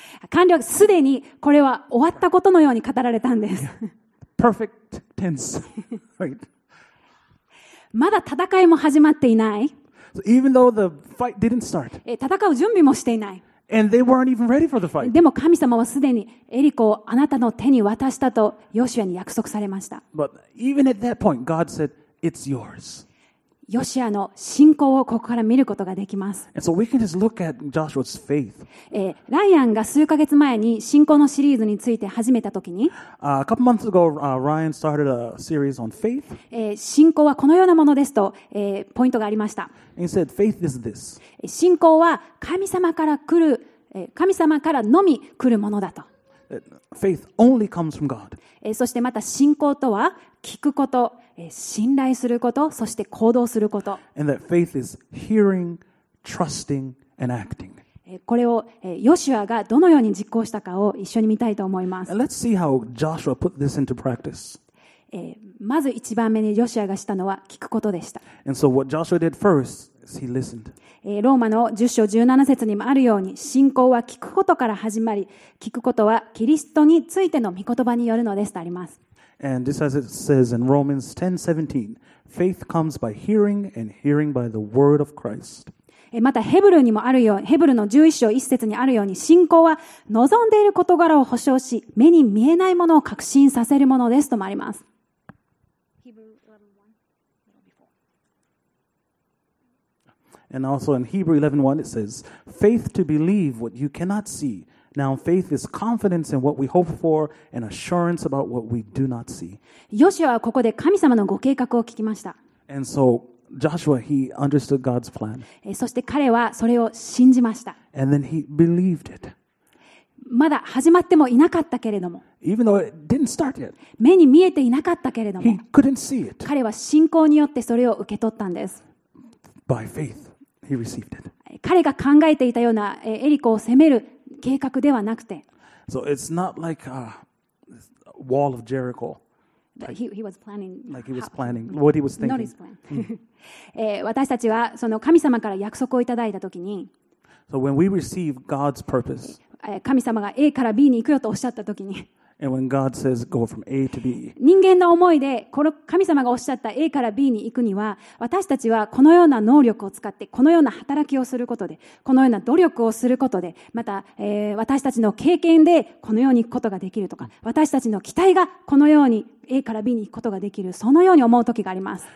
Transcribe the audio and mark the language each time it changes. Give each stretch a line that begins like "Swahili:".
Japanese: 完了、すでにこれは終わったことのように語られたんです。
English: Perfect tense. Right.
Japanese: まだ戦いも始まっていない。
English: So, even though the fight didn't start.
Japanese: 戦う準備もしていない。
English: And they weren't even ready for the fight.
Japanese: でも神様はすでにエリコをあなたの手に渡したとヨシュアに約束されました。
English: But even at that point, God said, "It's yours."
Japanese: ヨシュアの信仰をここから見ることができます。
English: And so we can just look at Joshua's faith.
Japanese: ライアンが数ヶ月前に信仰のシリーズについて始めたときに、
English: a couple months ago, Ryan started a series on faith.
Japanese: 信仰はこのようなものですと、ポイントがありました。
English: And he said, "Faith is this."
Japanese: 信仰は神様から来る、神様からのみ来るものだと。
English: Faith only comes from God.
Japanese: そしてまた信仰とは聞くこと。信頼すること、そして行動すること。
English: And that faith is hearing, trusting, and acting.
Japanese: これをヨシュアがどのように実行したかを一緒に見たいと思います。
English: And let's see how Joshua put this into practice.
Japanese: まず一番目にヨシュアがしたのは聞くことでした。
English: And so what Joshua did first is he listened.
Japanese: ローマの10章17節にもあるように、信仰は聞くことから始まり、聞くことはキリストについての御言葉によるのですとあります。
English: And this as it says in Romans 10:17, faith comes by hearing and hearing by the word of Christ.
Japanese: またヘブルにもあるように、ヘブルの11章1節にあるように、信仰は望んでいる事柄を保証し、目に見えないものを確信させるものですともあります。
English: And also in Hebrews 11:1 it says, faith to believe what you cannot see. Now, faith is confidence in what we hope for and assurance about what we do not see.
Japanese: ヨシュアはここで神様のご計画を聞きました。
English: And so, Joshua, he understood God's plan.
Japanese: そして彼はそれを信じました。
English: And then he believed it.
Japanese: まだ始まってもいなかったけれども。
English: Even though it didn't start yet.
Japanese: 目に見えていなかったけれども。
English: He couldn't see it.
Japanese: 彼は信仰によってそれを受け取ったんです。
English: By faith, he received it.
Japanese: 彼が考えていたようなエリコを攻める計画ではなくて、
English: so it's not like a wall of Jericho. He was planning. Like he was planning. What he was thinking. Not his plan.
Japanese: 私たちはその神様から約束をいただいたときに、
English: so when we receive God's purpose,
Japanese: 神様が A から B に行くよとおっしゃったときに、
English: and when God says go from A to B,
Japanese: 人間の思いでこの神様がおっしゃった A から B に行くには、私たちはこのような能力を使ってこのような働きをすることで、このような努力をすることで、また、私たちの経験でこのように行くことができるとか、私たちの期待がこのように A から B に行くことができる、そのように思う時があります。